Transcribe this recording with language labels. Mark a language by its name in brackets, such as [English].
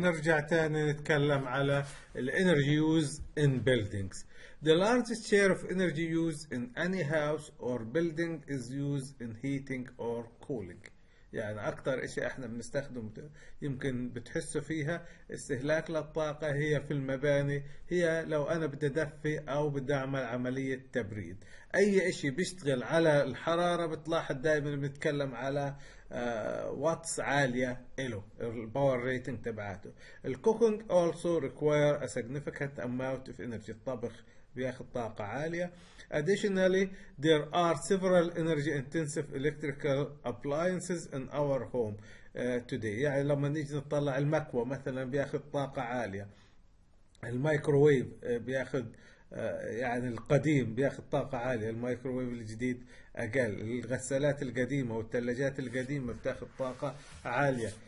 [Arabic] نرجع تاني نتكلم على الـ [English] energy use in buildings. The largest share of energy use in any house or building is used in heating or cooling. [Arabic] يعني أكتر إشي إحنا بنستخدم يمكن بتحسوا فيها استهلاك للطاقة هي في المباني، هي لو أنا بدي أدفي أو بدي أعمل عملية تبريد. أي إشي بيشتغل على الحرارة بتلاحظ دائما بنتكلم على واتس عالية إله الباور ريتنج تبعاته. [English] الكوكينج also require a significant amount of energy. [Arabic] الطبخ بياخد طاقة عالية. [English] Additionally, there are several energy-intensive electrical appliances in our home today. [Arabic] يعني لما نيجي نطلع المكوى مثلا بياخد طاقة عالية. الميكروويف بياخد يعني القديم بياخد طاقة عالية، الميكروويف الجديد أقل. الغسالات القديمة والثلاجات القديمة بتاخد طاقة عالية.